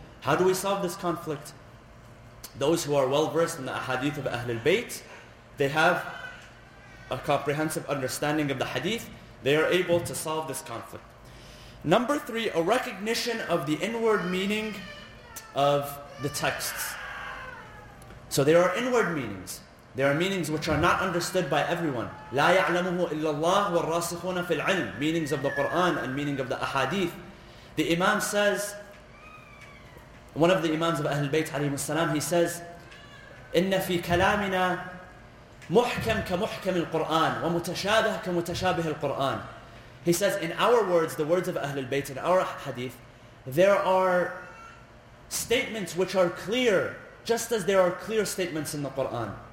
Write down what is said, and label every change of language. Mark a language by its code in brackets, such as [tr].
[en] How do we solve this conflict? Those who are well-versed in the ahadith of Ahlul Bayt, they have a comprehensive understanding of the hadith. They are able to solve this conflict. Number three, a recognition of the inward meaning of the texts. So there are inward meanings. There are meanings which are not understood by everyone. [ar] لا يعلمه إلا الله والراسخون في العلم. [en] Meanings of the Quran and meaning of the ahadith. The Imam says, one of the Imams of Ahlul Bayt عليه السلام, he says, [ar] إن في كلامنا محكم كمحكم القرآن ومتشابه كمتشابه القرآن. [en] He says, in our words, the words of Ahlul Bayt, in our hadith, there are statements which are clear, just as there are clear statements in the Quran.